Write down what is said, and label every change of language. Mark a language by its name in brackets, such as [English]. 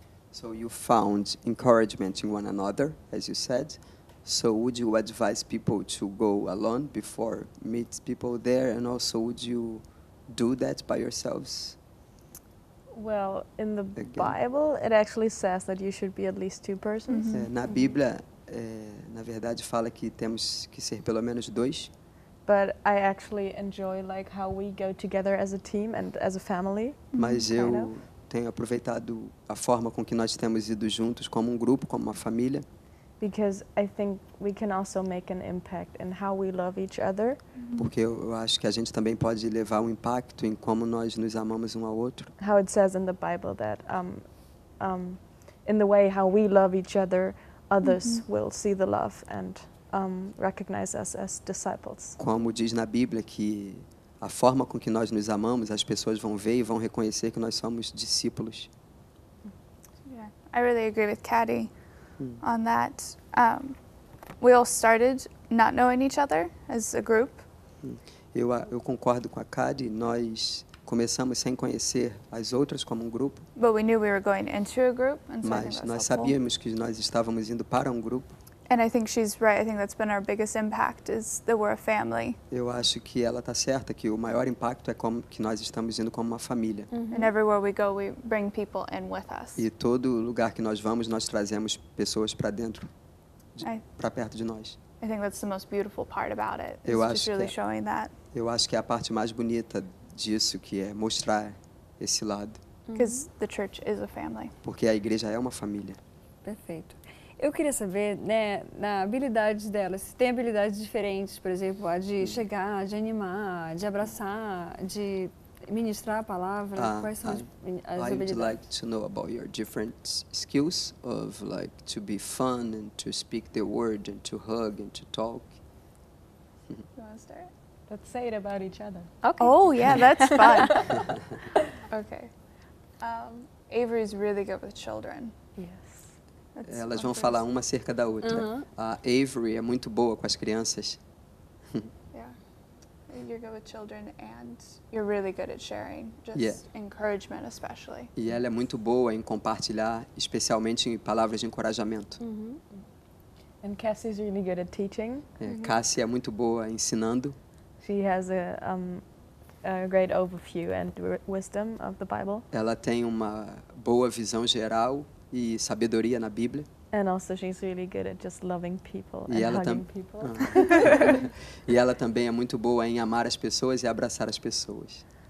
[English] So you found encouragement in one another, as you said. So would you advise people to go alone before meet people there, and also would you do that by yourselves? Well, in the Bible, it actually says that you should be at least two persons. Mm-hmm. [Portuguese] Na Bíblia, na verdade, fala que temos que ser pelo menos dois. [English] But I actually enjoy like how we go together as a team and as a family. [Portuguese] Mas eu tenho aproveitado a forma com que nós temos ido juntos como grupo, como uma família. [English] Because I think we can also make an impact in how we love each other. [Portuguese] Porque eu acho que a gente também pode levar um impacto em como nós nos amamos um ao outro. [English] How it says in the Bible that in the way how we love each other, others will see the love and recognize us as disciples. [Portuguese] Como diz na Bíblia que a forma com que nós nos amamos, as pessoas vão ver e vão reconhecer que nós somos discípulos. [English] Yeah, I really agree with Kati. On that, we all started not knowing each other as a group. [Portuguese] Eu concordo com a Kadi, nós começamos sem conhecer as outras como um grupo. [English] But we knew we were going into a group, and so [Portuguese] mas nós sabíamos que nós estávamos indo para um grupo. [English] And I think she's right. I think that's been our biggest impact is that we're a family. [Portuguese] Eu acho que ela tá certa que o maior impacto é como que nós estamos indo como uma família. Mm-hmm. [English] And everywhere we go, we bring people in with us. [Portuguese] E todo lugar que nós vamos, nós trazemos pessoas para dentro, para perto de nós. [English] I think that's the most beautiful part about it. It's just really showing that. [Portuguese] Eu acho que é a parte mais bonita disso, que é mostrar esse lado. [English] Because the church is a family. [Portuguese] Porque a igreja é uma família. Perfeito. Eu queria saber, né, na habilidade dela, se tem habilidades diferentes, por exemplo, a de chegar, de animar, de abraçar, de ministrar a palavra, quais são as habilidades? [English] I would like to know about your different skills of like to be fun and to speak the word and to hug and to talk. You want to start? Let's say it about each other. Okay. Oh, yeah, that's fun. Okay. Avery's really good with children. [Portuguese] That's elas vão falar uma acerca da outra. A Avery é muito boa com as crianças. [English] Yeah. You're good with children and you're really good at sharing. Encouragement especially. [Portuguese] E ela é muito boa em compartilhar, especialmente em palavras de encorajamento. [English] Mm-hmm. And Cassie's really good at teaching. [Portuguese] Cassie é muito boa ensinando. [English] She has a great overview and wisdom of the Bible. [Portuguese] Ela tem uma boa visão geral e sabedoria na Bíblia. [English] And also she's really good at just loving people and hugging people. [Portuguese] E ela também é muito boa em amar as pessoas e abraçar as pessoas.